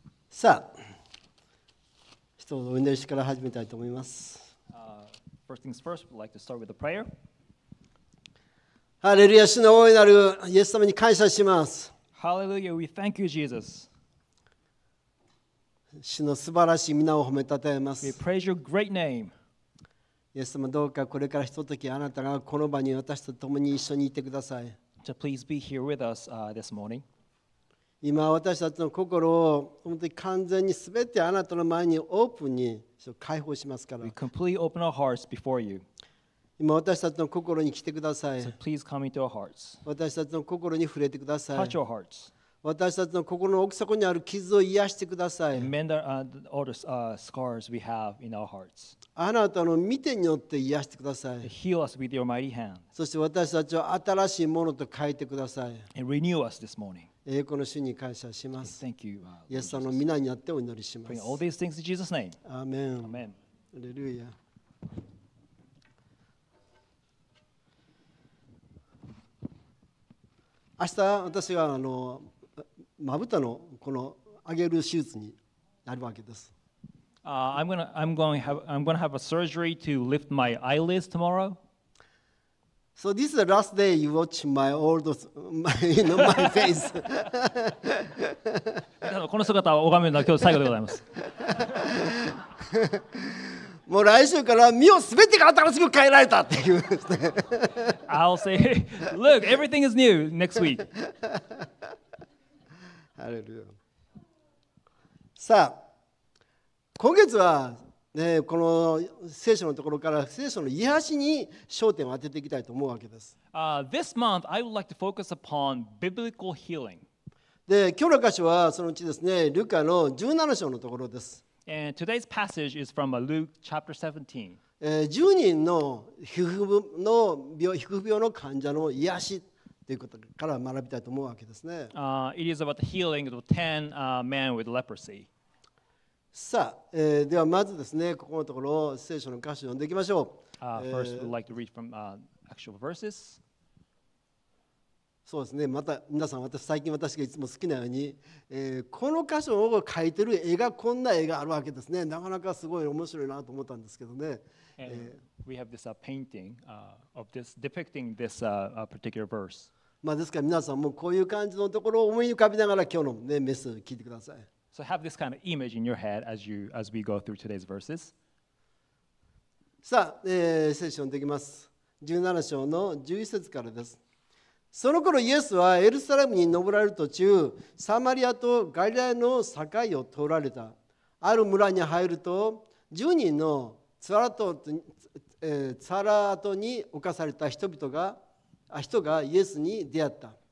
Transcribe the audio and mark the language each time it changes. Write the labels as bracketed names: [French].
[Japanese] さあ、ちょっとお祈りから始めたいと思います。 [English] First things first, we'd like to start with a prayer. [Japanese] ハレルヤ、主の大いなるイエス様に感謝します。 [English] Hallelujah, we thank you, Jesus. [Japanese] 主の素晴らしい御名を褒めたたえます。 [English] We praise your great name. [Japanese] イエス様、どうかこれからひとときあなたがこの場に私と共に一緒にいてください。 [English] To please be here with us this morning. [Japanese] 今私たちの心を本当に完全にすべてあなたの前にオープンに開放しますから。 [English] We completely open our hearts before you. [Japanese] 今私たちの心に来てください。 [English] So please come into our hearts. [Japanese] 私たちの心に触れてください。 [English] Touch our hearts. [Japanese] 私たちの心の奥底にある傷を癒してください。 [English] And mend all the scars we have in our hearts. [Japanese] あなたの御手によって癒してください。 [English] Heal us with your mighty hand. [Japanese] そして私たちを新しいものと変えてください。 [English] And renew us this morning. [Japanese] 栄光の主に感謝します。 [English] Thank you. [Japanese] イエス様の御名によってお祈りします。 [English] Bring all these things in Jesus' name. Amen. Amen. Hallelujah. Amen. [Japanese] 明日私はまぶたのこの上げる手術になるわけです。 [English] I'm going to have a surgery to lift my eyelids tomorrow. So this is the last day you watch my old, my face. [Japanese] この姿を拝めるのは今日最後でございます。もう来週から身をすべてが新しく変えられたっていう。 [English] I'll say, look, everything is new next week. [Japanese] Hallelujah. さあ。今月は、ね、この聖書のところから聖書の癒しに焦点を当てていきたいと思うわけです。 [English] This month, I would like to focus upon biblical healing. [Japanese] で、今日の箇所はそのうちですね、ルカの17章のところです。 [English] And today's passage is from Luke chapter [Japanese] 17. 10人の皮膚病の病、皮膚病の患者の癒しということから学びたいと思うわけですね。 [English] It is about the healing of 10 men with leprosy. [Japanese] さあ、ではまずですね、ここのところ聖書の箇所を読んでいきましょう。 [English] First, we'd like to read from actual verses. [Japanese] そうですね、また皆さん私最近私がいつも好きなように、この箇所を描いてる絵がこんな絵があるわけですね。なかなかすごい面白いなと思ったんですけどね。 [English] We have this painting of this depicting this particular verse. [Japanese] まあですから皆さんもこういう感じのところを思い浮かびながら今日の、ね、メッセージを聞いてください。 [English] So have this kind of image in your head as, you, as we go through today's verses. [Japanese] さあ、セッションできます。17章の11節からです。その頃イエスはエルサレムに登られる途中、サマリアとガリラの境を通られた。ある村に入ると10人のつわらとに侵された人がイエスに出会った。